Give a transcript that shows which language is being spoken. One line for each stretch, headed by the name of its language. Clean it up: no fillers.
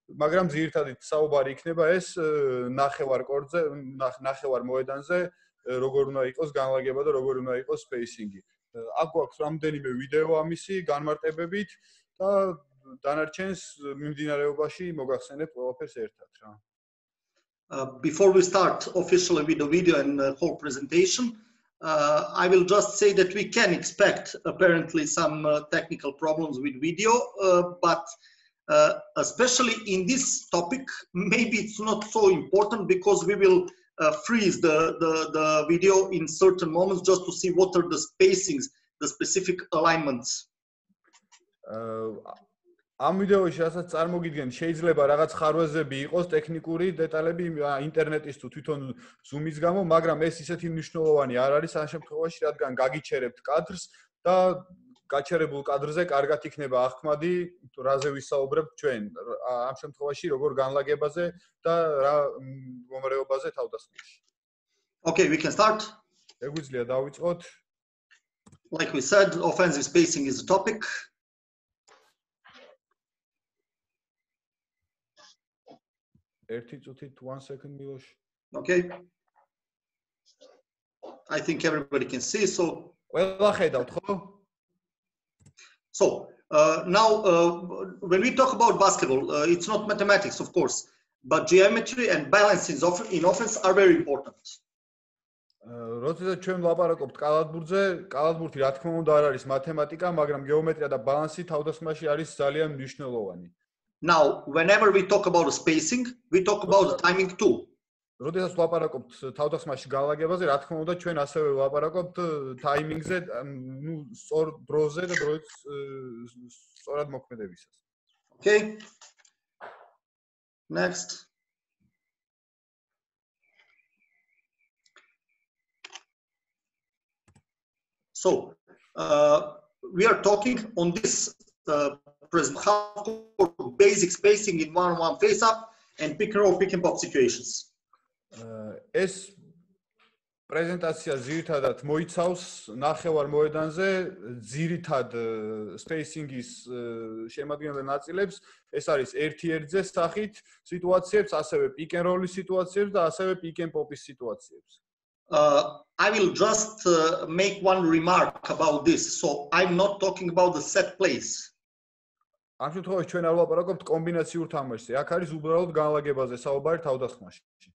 Georgian: მაგრამ ძირითადად საუბარი იქნება ეს ნახევარ კორტზე, ნახევარ მოედანზე, როგორ უნდა იყოს განლაგება და როგორ უნდა იყოს სპეისინგი. აქ აქვს რამდენიმე ვიდეო ამისი განმარტებებით და დანარჩენს მიმდინარეობაში მოგახსენებ ყველაფერს ერთად რა.
English: Before we start officially with the video and whole presentation, I will just say that we can expect apparently some technical problems with video, but especially in this topic, maybe it's not so important because we will freeze the video in certain moments just to see what are the spacings, the specific alignments.
Georgian: Am videoში რასაც წარმოგიდგენ, შეიძლება რაღაც ხარვეზები იყოს, ტექნიკური დეტალები ინტერნეტის თუ თვითონ ზუმის გამო, მაგრამ ეს ისეთი მნიშვნელოვანი არ არის ამ შემთხვევაში, რადგან გაგიჩერებთ კადრს და გაჩერებულ კადრზე კარგად იქნება აღქმადი თუ რაზე ვისაუბრებთ ჩვენ ამ შემთხვევაში, როგორ განლაგებაზე და რა მდგომარეობაზე თავდასხმაში.
English: Okay, we can start.
Georgian: ეგვიძლია დავიწყოთ.
English: Like we said, offensive spacing is a topic.
Georgian: ერთი წუთით,
English: 1 second
Georgian: მილოშ.
English: Okay. I think everybody can see, so
Georgian: ყველა ხედავთ, ხო?
English: So now when we talk about basketball, it's not mathematics, of course, but geometry and balance in offense are very important.
Georgian: როდესაც ჩვენ ვლაპარაკობთ კალათბურთზე, კალათბურთი რა თქმა უნდა არ არის მათემატიკა, მაგრამ გეომეტრია და ბალანსი თავდასხმაში არის ძალიან მნიშვნელოვანი.
English: Now, whenever we talk about spacing, we talk about the timing too.
Georgian: როდესაც ვლაპარაკობთ თავდასხმაში განლაგებაზე, რა თქმა უნდა, ჩვენ ასევე ვლაპარაკობთ ტაიმინგზე, ნუ სწორ დროზე და დროის სწორად მოქმედებისას.
English: Okay. Next. So, we are talking on this present half court basic spacing in one-on-one face-up and pick and roll pick and pop situations.
Georgian: ეს პრეზენტაცია ძირითადად მოიცავს ნახევარ მოედანზე ძირითად სპეისინგის შემადგენელ ნაწილებს. ეს არის ერთი ერთზე სახით სიტუაციებს, ასევე პიკ ენ როლის სიტუაციებს და ასევე პიკ ენ პოპის სიტუაციებს.
English: I will just make one remark about this. So I'm not talking about the set plays.
Georgian: ამ შემთხვევაში ჩვენ არ ვლაპარაკობთ კომბინაციურ თამაშზე. აქ არის უბრალოდ განლაგებაზე საუბარი თავდასხმაში.